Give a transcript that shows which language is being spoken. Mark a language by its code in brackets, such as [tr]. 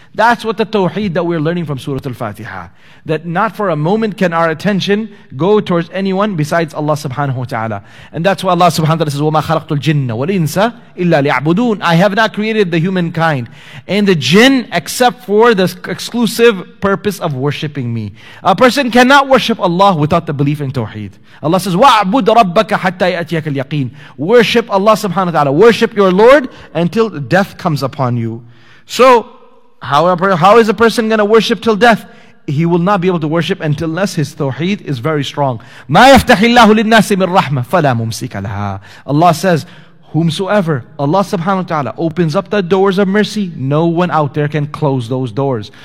[en] That's what the tawheed that we're learning from Surah Al-Fatiha. That not for a moment can our attention go towards anyone besides Allah subhanahu wa ta'ala. And that's why Allah subhanahu wa ta'ala says, [ar] وَمَا خَلَقْتُ الْجِنَّ وَالْإِنسَ إِلَّا لِيَعْبُدُونَ. [en] I have not created the humankind and the jinn except for the exclusive purpose of worshipping Me. A person cannot worship Allah without the belief in tawheed. Allah says, [ar] وَاعْبُدْ رَبَّكَ حَتَّى يَأْتِيَكَ الْيَقِينَ. [en] Worship Allah subhanahu wa ta'ala. Worship your Lord until death comes upon you. So, how is a person going to worship till death? He will not be able to worship until unless his tawheed is very strong. [ar] مَا يَفْتَحِ اللَّهُ لِلنَّاسِ مِنْ رَحْمَةٍ فَلَا مُمْسِكَ لَهَا. [en] Allah says, whomsoever Allah subhanahu wa ta'ala opens up the doors of mercy, no one out there can close those doors.